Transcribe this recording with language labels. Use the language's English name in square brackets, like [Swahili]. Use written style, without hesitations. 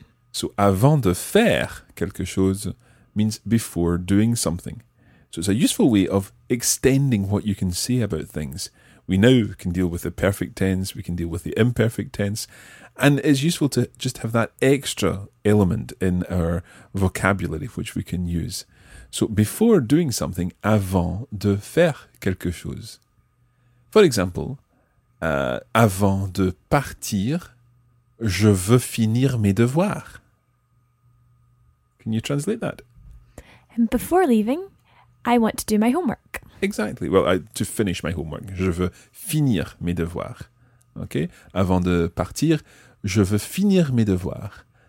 [English] So [French] avant de faire quelque chose [English] means before doing something. So it's a useful way of extending what you can say about things. We now can deal with the perfect tense, we can deal with the imperfect tense, and it's useful to just have that extra element in our vocabulary which we can use. So before doing something, [French] avant de faire quelque chose. [English] For example, [French] avant de partir, je veux finir mes devoirs. [English] Can you translate that? And before leaving, I want to do my homework. Exactly. Well, to finish my homework. Je veux finir mes devoirs. Okay? [French] Avant de partir, je veux finir mes devoirs.